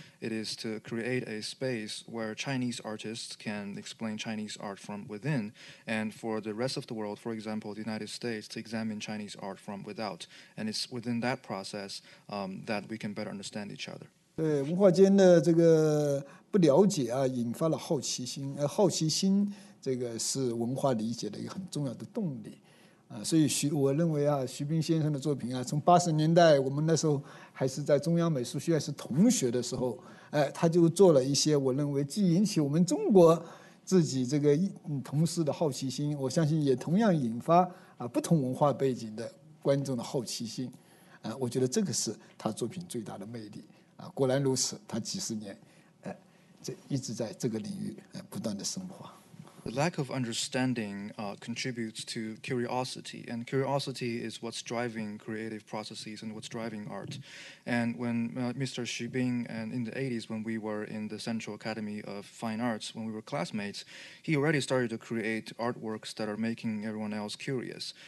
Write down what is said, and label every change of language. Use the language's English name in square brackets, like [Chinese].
[English] It is to create a space where Chinese artists can explain Chinese art from within and for the rest of the world, for example, the United States, to examine Chinese art from without. And it's within that process that we can better understand each other. [Chinese] 对文化间的这个不了解啊，引发了好奇心，好奇心这个是文化理解的一个很重要的动力所以我认为徐冰先生的作品从80年代我们那时候还是在中央美术学院是同学的时候他就做了一些我认为既引起我们中国自己这个同事的好奇心我相信也同样引发不同文化背景的观众的好奇心我觉得这个是他作品最大的魅力果然如此他几十年一直在这个领域不断的深化。 [English] The lack of understanding contributes to curiosity, and curiosity is what's driving creative processes and what's driving art. And when Mr. Xu Bing, and in the 80s, when we were in the Central Academy of Fine Arts, when we were classmates, he already started to create artworks that are making everyone else curious.